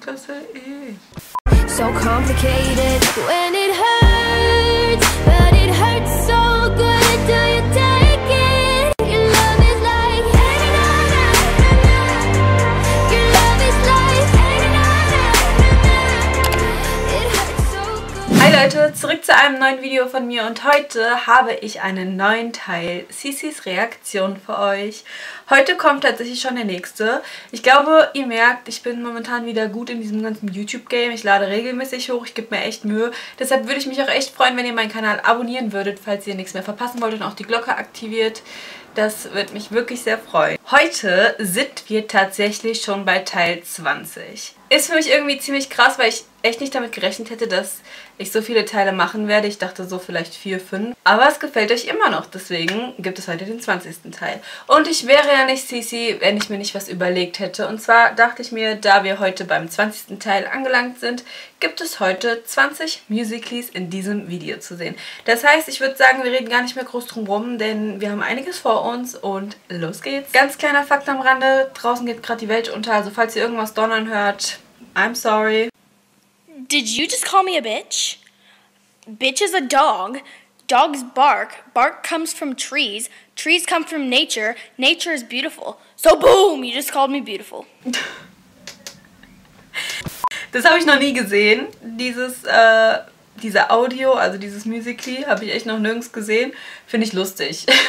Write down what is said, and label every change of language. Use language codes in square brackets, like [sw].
[en] So complicated when it hurts, but it hurts so good. Do you take it? Your love is like hanging on a river. Your love is like hanging on a river. It hurts so good. [de] Hi Leute, zurück zu einem neuen Video von mir und heute habe ich einen neuen Teil Cicis Reaktion für euch. Heute kommt tatsächlich schon der nächste. Ich glaube, ihr merkt, ich bin momentan wieder gut in diesem ganzen YouTube-Game. Ich lade regelmäßig hoch, ich gebe mir echt Mühe. Deshalb würde ich mich auch echt freuen, wenn ihr meinen Kanal abonnieren würdet, falls ihr nichts mehr verpassen wollt und auch die Glocke aktiviert. Das würde mich wirklich sehr freuen. Heute sind wir tatsächlich schon bei Teil 20. Ist für mich irgendwie ziemlich krass, weil ich echt nicht damit gerechnet hätte, dass ich so viele Teile machen werde. Ich dachte so vielleicht 4, 5. Aber es gefällt euch immer noch. Deswegen gibt es heute den 20. Teil. Und ich wäre ja nicht Cici, wenn ich mir nicht was überlegt hätte. Und zwar dachte ich mir, da wir heute beim 20. Teil angelangt sind, gibt es heute 20 Musical.ly's in diesem Video zu sehen. Das heißt, ich würde sagen, wir reden gar nicht mehr groß drum rum, denn wir haben einiges vor uns und los geht's. Ganz kleiner Fakt am Rande, draußen geht gerade die Welt unter. Also falls ihr irgendwas donnern hört, [en] I'm sorry. Did you just call me a bitch? Bitch is a dog. Dogs bark. Bark comes from trees. Trees come from nature. Nature is beautiful. So boom, you just called me beautiful. [de] Das habe ich noch nie gesehen. Diese Audio, also dieses Musical.ly, habe ich echt noch nirgends gesehen. Finde ich lustig.